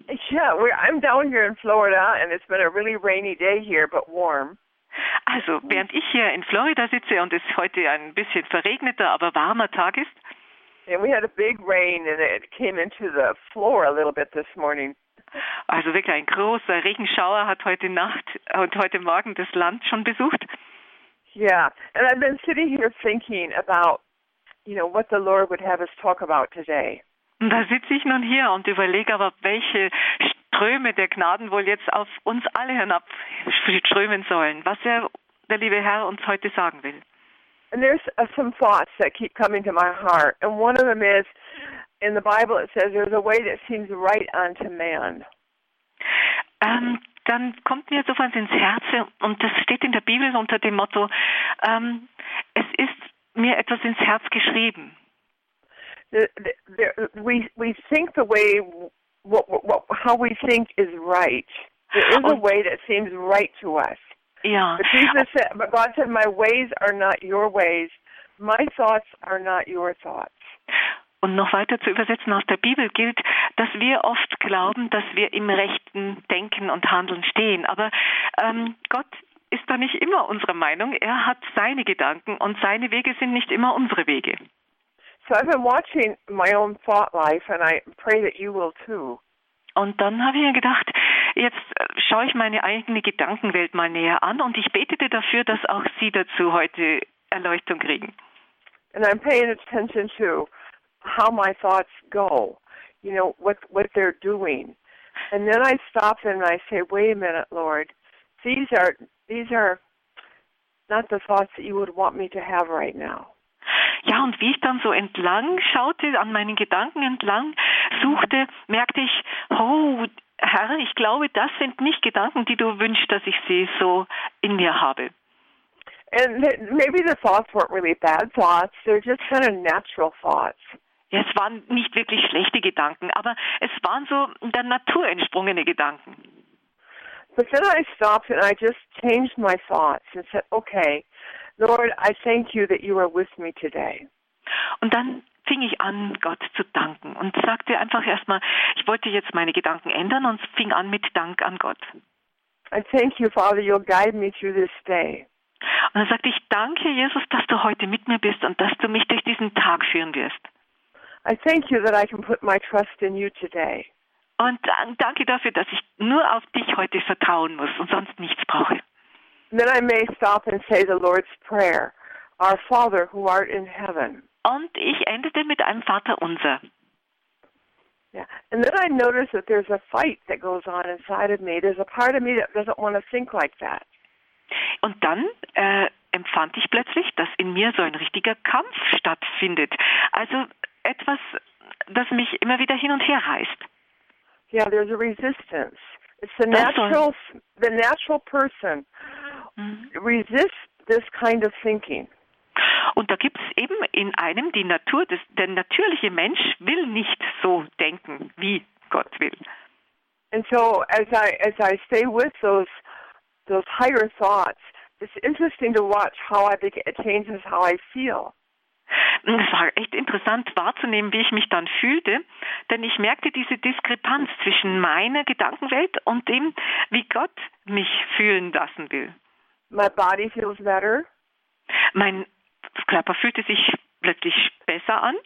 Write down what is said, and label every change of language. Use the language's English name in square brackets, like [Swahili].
[English] Yeah, I'm down here in Florida, and it's been a really rainy day here, but warm. [German] Also, während ich hier in Florida sitze und es heute ein bisschen verregneter, aber warmer Tag ist. [English] And we had a big rain, and it came into the floor a little bit this morning. [German] Also wirklich ein großer Regenschauer hat heute Nacht und heute Morgen das Land schon besucht. [English] Yeah, and I've been sitting here thinking about, you know, what the Lord would have us talk about today. [German] Und da sitze ich nun hier und überlege aber, welche Ströme der Gnaden wohl jetzt auf uns alle hinabströmen sollen, was der liebe Herr uns heute sagen will. [English] And there's some thoughts that keep coming to my heart. And one of them is, in the Bible it says, there's a way that seems right unto man. [German] Dann kommt mir sofort ins Herz, und das steht in der Bibel unter dem Motto, es ist mir etwas ins Herz geschrieben. [English] We think the way how we think is right. There is a way that seems right to us. Yeah. But Jesus said, but God said, my ways are not your ways. My thoughts are not your thoughts. [German] Und noch weiter zu übersetzen aus der Bibel gilt, dass wir oft glauben, dass wir im rechten Denken und Handeln stehen. Aber Gott ist da nicht immer unserer Meinung. Er hat seine Gedanken und seine Wege sind nicht immer unsere Wege. [English] So I've been watching my own thought life, and I pray that you will too. [German] Und dann habe ich mir gedacht, jetzt schaue ich meine eigene Gedankenwelt mal näher an, und ich betete dafür, dass auch Sie dazu heute Erleuchtung kriegen. [English] And I'm paying attention to how my thoughts go, you know, what they're doing. And then I stop and I say, wait a minute, Lord, these are not the thoughts that you would want me to have right now. [German] Ja, und wie ich dann so entlang schaute, an meinen Gedanken entlang suchte, merkte ich, oh Herr, ich glaube, das sind nicht Gedanken, die du wünschst, dass ich sie so in mir habe. [English] And maybe the thoughts weren't really bad thoughts, they're just kind of natural thoughts. [German] Ja, es waren nicht wirklich schlechte Gedanken, aber es waren so der Natur entsprungene Gedanken. [English] But then I stopped and I just changed my thoughts and said, okay, Lord, I thank you that you are with me today. [German] Und dann fing ich an, Gott zu danken und sagte einfach erstmal, ich wollte jetzt meine Gedanken ändern und fing an mit Dank an Gott. [English] I thank you, Father, you'll guide me through this day. [German] Und dann sagte ich, danke, Jesus, dass du heute mit mir bist und dass du mich durch diesen Tag führen wirst. [English] I thank you that I can put my trust in you today. [German] Und danke dafür, dass ich nur auf dich heute vertrauen muss und sonst nichts brauche. [English] Then I may stop and say the Lord's Prayer, Our Father who art in heaven. [German] Und ich endete mit einem Vater unser. [English] Yeah. And then I notice that there's a fight that goes on inside of me. There's a part of me that doesn't want to think like that. [German] Und dann empfand ich plötzlich, dass in mir so ein richtiger Kampf stattfindet. Also etwas, das mich immer wieder hin und her reißt. [English] Yeah, there's a resistance. It's the natural, person. Resist this kind of thinking. [German] Und da gibt es eben in einem die Natur, der natürliche Mensch will nicht so denken, wie Gott will. [English] And so as I stay with those higher thoughts, it's interesting to watch how it changes how I feel. [German] Es war echt interessant wahrzunehmen, wie ich mich dann fühlte, denn ich merkte diese Diskrepanz zwischen meiner Gedankenwelt und dem, wie Gott mich fühlen lassen will. [English] My body feels better. [German] Mein Körper fühlte sich plötzlich besser an.